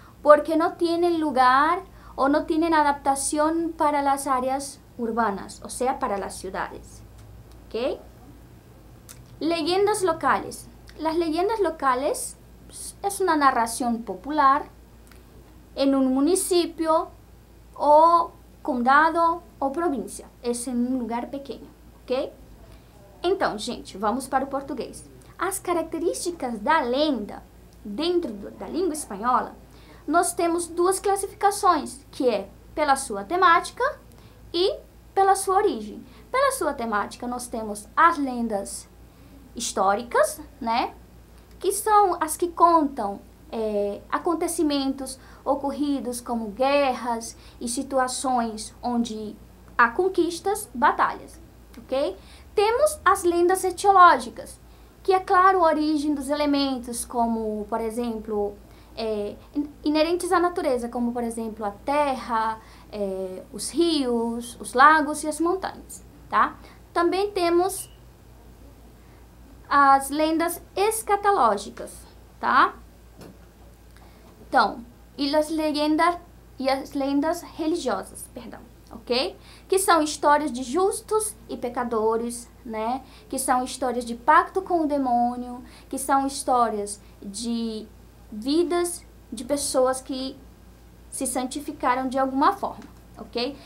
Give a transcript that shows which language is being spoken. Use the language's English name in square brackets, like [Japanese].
[Spanish] Porque no tienen lugar o no tienen adaptación para las áreas urbanas, o sea, para las ciudades, ¿ok? Leyendas locales. Las leyendas locales es una narración popular en un municipio o condado o provincia. Es en un lugar pequeño, ¿ok? [Portuguese] Então, gente, vamos para o português. As características da lenda dentro da língua espanhola, nós temos duas classificações, que é pela sua temática e pela sua origem. Pela sua temática, nós temos as lendas históricas, né, que são as que contam acontecimentos ocorridos como guerras e situações onde há conquistas, batalhas, ok? Temos as lendas etiológicas, que aclaram a origem dos elementos, como, por exemplo, inerentes à natureza, como, por exemplo, a terra, os rios, os lagos e as montanhas, tá? [Spanish] También tenemos [Portuguese] as lendas escatológicas, tá? Então, e as lendas religiosas, perdão, ok? Que são histórias de justos e pecadores, né? Que são histórias de pacto com o demônio, que são histórias de vidas de pessoas que se santificaram de alguma forma, ok?